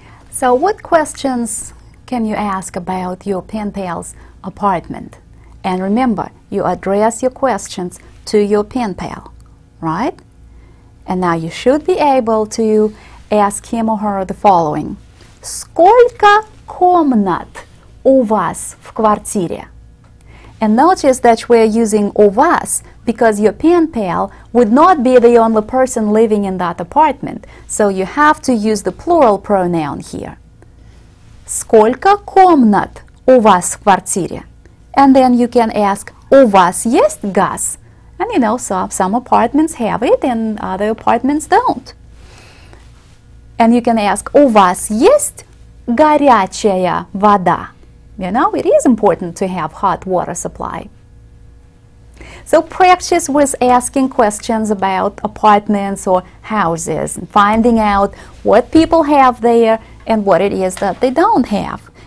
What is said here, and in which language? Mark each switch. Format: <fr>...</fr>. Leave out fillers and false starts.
<en>So, what questions can you ask about your pen pal's apartment? And remember, you address your questions to your pen pal, right? And now you should be able to ask him or her the following.</en> <ru>Сколько комнат у вас в квартире?</ru> <en>And notice that we're using</en> <ru>у вас</ru> <en>because your pen pal would not be the only person living in that apartment. So you have to use the plural pronoun here.</en> <ru>Сколько комнат у вас в квартире?</ru> <en>And then you can ask,</en> <ru>у вас есть газ?</ru> <en>And you know, some apartments have it and other apartments don't. And you can ask,</en> <ru>у вас есть горячая вода?</ru> <en>You know, it is important to have hot water supply. So practice with asking questions about apartments or houses and finding out what people have there and what it is that they don't have.</en>